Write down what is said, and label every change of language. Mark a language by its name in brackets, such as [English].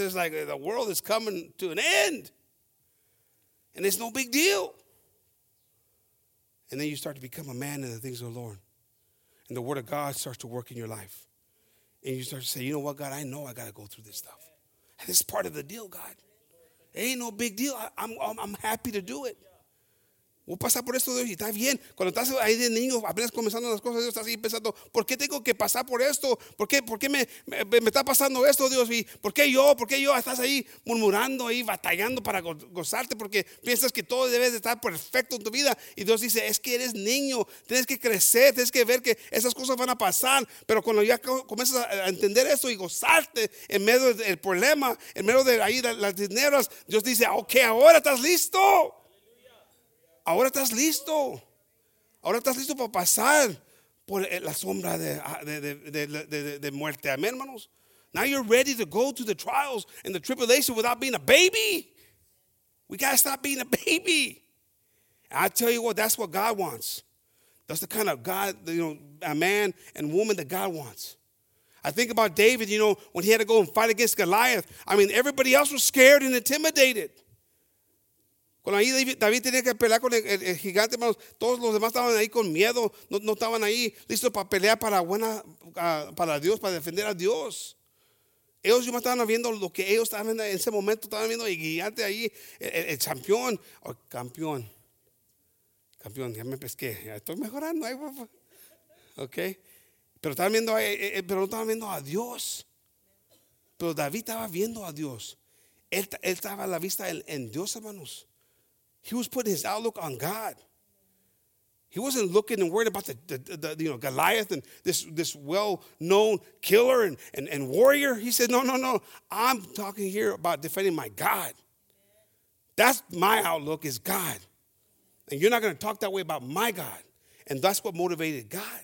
[English] It's like the world is coming to an end. And it's no big deal. And then you start to become a man in the things of the Lord. And the word of God starts to work in your life. And you start to say, you know what, God, I know I got to go through this stuff. And this is part of the deal, God. It ain't no big deal. I'm happy to do it. [Spanish] Voy a pasar por esto, Dios, y está bien. Cuando estás ahí de niño, apenas comenzando las cosas, Dios, estás ahí pensando, ¿por qué tengo que pasar por esto? ¿Por qué me está pasando esto, Dios? ¿Y por qué yo? Estás ahí murmurando, ahí batallando para gozarte porque piensas que todo debe estar perfecto en tu vida. Y Dios dice, es que eres niño, tienes que crecer, tienes que ver que esas cosas van a pasar. Pero cuando ya comienzas a entender esto y gozarte en medio del problema, en medio de ahí de las dineras, Dios dice, ok, ahora estás listo. Ahora estás listo. Ahora estás listo para pasar por la sombra de muerte. Amén, hermanos. [English] Now you're ready to go through the trials and the tribulation without being a baby. We got to stop being a baby. And I tell you what, that's what God wants. That's the kind of God, you know, a man and woman that God wants. I think about David, you know, when he had to go and fight against Goliath. I mean, everybody else was scared and intimidated. [Spanish] Cuando ahí David tenía que pelear con el gigante, hermanos, todos los demás estaban ahí con miedo, no estaban ahí listos para pelear para Dios, para defender a Dios. Ellos yo estaban viendo lo que ellos estaban viendo en ese momento, estaban viendo el gigante ahí, el campeón, oh, campeón. Campeón, ya me pesqué, ya estoy mejorando ahí. Okay. Pero estaban viendo pero no estaban viendo a Dios. Pero David estaba viendo a Dios. Él estaba a la vista en Dios, hermanos. [English] He was putting his outlook on God. He wasn't looking and worried about the Goliath and this well-known killer and warrior. He said, no. I'm talking here about defending my God. That's my outlook is God. And you're not going to talk that way about my God. And that's what motivated God.